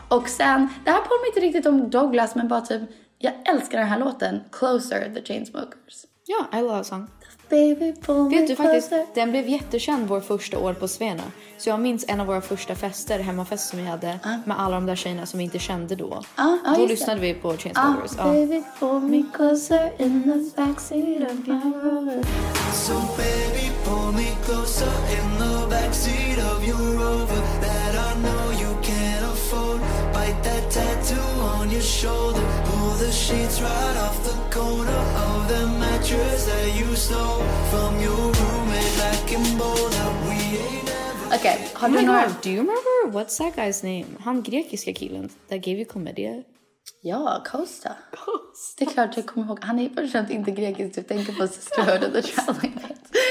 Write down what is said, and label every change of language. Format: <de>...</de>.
<sv>Och sen, det här påminner inte riktigt om Douglas, men bara typ, jag älskar den här låten, Closer, The Chainsmokers.</sv> <en>Ja, yeah, I love that song. Baby, pull me closer.</en> <sv>Faktiskt, den blev jättekänd vår första år på Svena. Så jag minns en av våra första fester, hemmafest som vi hade, med alla de där tjejerna som vi inte kände då. Då lyssnade vi på Chainsmokers.</sv> <en>Baby, pull me closer in the backseat of my Rover. So baby, pull me closer in the backseat of your Rover. That I know you can't afford. Bite that tattoo on your shoulder. Pull the sheets right off the corner of the mattress that you stole from your roommate back in Boulder. We Okay, oh my God, do you remember what's that guy's name?</en> <sv>Han grekiska killen</sv> <en>that gave you Chlamydia?</en> <sv>Ja, Costa. Det är klart jag kommer ihåg. Han är förstås inte grekisk. Du tänker på Sisterhood of the Traveling Pants.</sv>